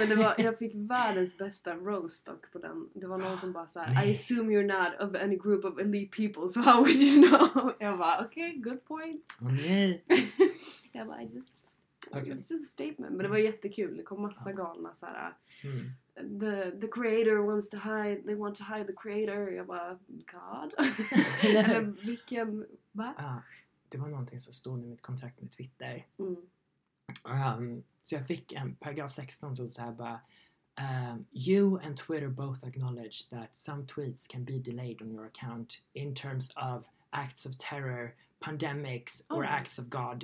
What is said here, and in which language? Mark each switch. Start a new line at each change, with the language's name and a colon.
Swedish: Men det var, jag fick världens bästa roast dock på den.
English: Det var någon som bara så här, I assume you're not of any group of elite people, so how would you know?
Swedish: Jag bara,
English: okay, good point.
Swedish: Oh, nej. Jag bara,
English: it's just a statement.
Swedish: Men det var jättekul. Det kom massa galna så här.
English: The creator wants to hide, they want to hide the creator.
Swedish: Jag bara, God. Eller vilken, va? Det var någonting som stod i mitt kontrakt med Twitter. Mm. Så jag fick en paragraf 16 som såhär bara,
English: you and Twitter both acknowledge that some tweets can be delayed on your account in terms of acts of terror, pandemics or acts of God.